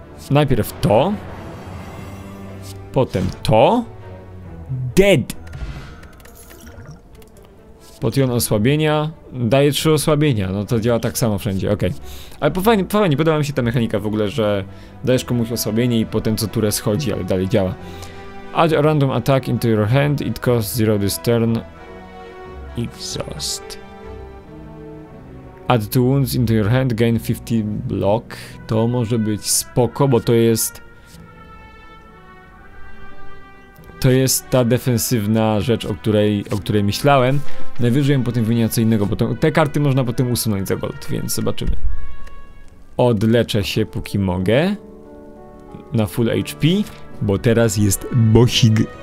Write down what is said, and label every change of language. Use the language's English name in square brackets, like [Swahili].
[Polish] Najpierw to. Potem to. Dead. Potion osłabienia. Daje 3 osłabienia. No to działa tak samo wszędzie. Okej. Okay. Ale fajnie, podoba mi się ta mechanika w ogóle, że dajesz komuś osłabienie i potem co turę schodzi, ale dalej działa. [English] Add a random attack into your hand. It costs 0 this turn. Exhaust. Add 2 wounds into your hand, gain 50 block. [Polish] To może być spoko, bo to jest... To jest ta defensywna rzecz, o której myślałem. Najwyżej ją potem wymienia co innego, bo te karty można potem usunąć za gold, więc zobaczymy. Odleczę się póki mogę. Na full HP, bo teraz jest bosik.